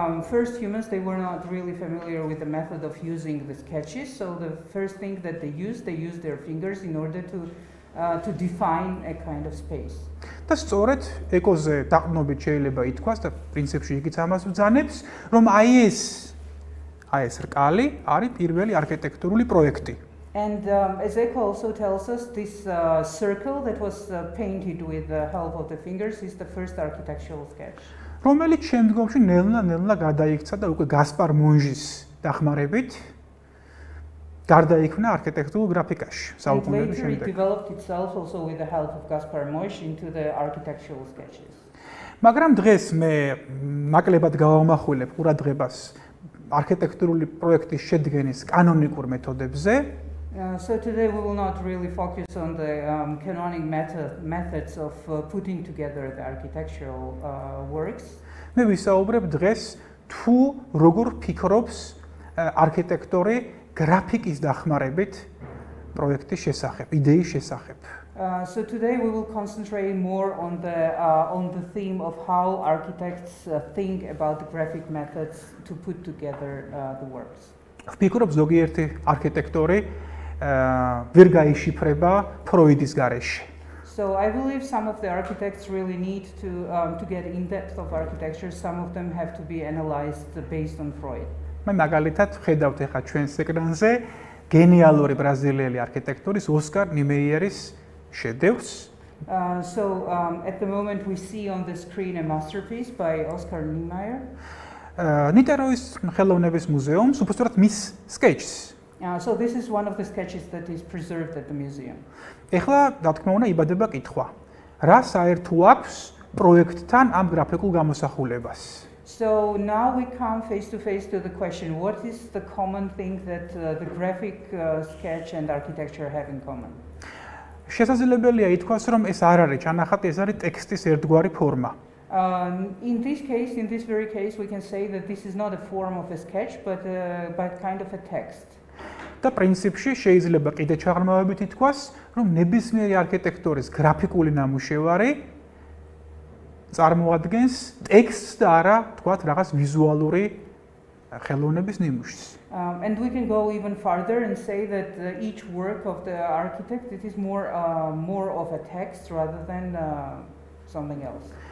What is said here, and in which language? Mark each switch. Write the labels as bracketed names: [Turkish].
[English] First humans, they were not really familiar with the method of using the sketches, so the first thing that they used their fingers in order to define a kind of space. [Georgian] და სწორედ ეკოზე დაყრდნობით შეიძლება ითქვას და პრინციპში იგიც ამას ბრძანებს, რომ აი ეს რკალი არის პირველი არქიტექტურული პროექტი. [English] And as Eco also tells us, this circle that was painted with the help of the fingers is the first architectural sketch. [Georgian] რომელიც შემდგომში ნელ-ნელა გადაიქცა და უკვე გასპარ მონჟის დახმარებით გარდაიქმნა არქიტექტურულ გრაფიკაში საუკუნეების შემდეგ. [English] It developed itself also with the help of Gaspar Monge into the architectural sketches. [Georgian] მაგრამ დღეს მე ნაკლებად გავამახვილებ ყურადღებას არქიტექტურული პროექტის შედგენის კანონიკურ მეთოდებზე. [English] So today we will not really focus on the canonic methods of putting together the architectural works. [Georgian] მე ვისაუბრებ დღეს თუ როგორ ფიქრობს არქიტექტორი გრაფიკის დახმარებით პროექტის შესახებ, იდეის შესახებ. [English] So today we will concentrate more on the theme of how architects think about the graphic methods to put together the works. [Georgian] ფიქრობ ზოგიერთი არქიტექტორი ვერ გაიშიფრება ფროიდის გარეშე. [English] So I believe some of the architects really need to get in depth of architecture. Some of them have to be analyzed based on Freud. [Georgian] მე მაგალითად ვხედავთ ახლა ჩვენს ეკრანზე გენიალური ბრაზილიელი არქიტექტორის ოსკარ ნიმეიერის შედევრს. [English] At the moment we see on the screen a masterpiece by Oscar Niemeyer. [Georgian] ნიტეროის ხელოვნების მუზეუმს, უბრალოდ მის sketches. [English] So this is one of the sketches that is preserved at the museum. [Georgian] ეხლა რა თქმა უნდა იბადება კითხვა. რა საერთო აქვს პროექტთან ამ გრაფიკულ გამოსახულებას? [English] So now we come face to face to the question, what is the common thing that the graphic sketch and architecture have in common? [Georgian] შესაძლებელია ითქვას, რომ ეს არ არის ჩანახატი, ეს არის ტექსტის ერთგვარი ფორმა. [English] In this case, in this very case, we can say that this is not a form of a sketch, but kind of a text. [Georgian] Та принципში შეიძლება კიდე ჩაღრმავებით თქვას, რომ ნებისმიერი არქიტექტორის გრაფიკული ნამუშევარი წარმოადგენს ტექსტს და არა, თქვათ, რაღაც ვიზუალური ხელოვნების ნიმუშს. [English] And we can go even farther and say that each work of the architect it is more more of a text rather than something else.